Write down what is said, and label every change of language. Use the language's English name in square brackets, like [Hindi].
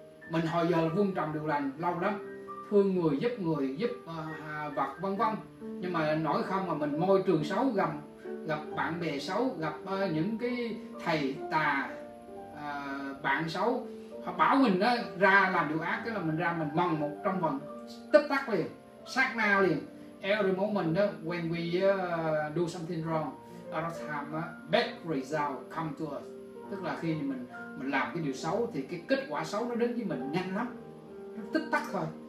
[Vietnamese] Mình hồi giờ là vuông trồng điều lành lâu lắm, thương người, giúp vật vân vân. Nhưng mà nói không mà mình môi trường xấu, gặp bạn bè xấu, gặp những cái thầy tà, bạn xấu, họ bảo mình ra làm điều ác, cái là mình ra mình mần một trong vòng tích tắc liền, sát na liền. [English] Every moment when we do something wrong, our time bad result come to us. [Vietnamese] Tức là khi mình làm cái điều xấu thì cái kết quả xấu nó đến với mình nhanh lắm, nó tích tắc thôi.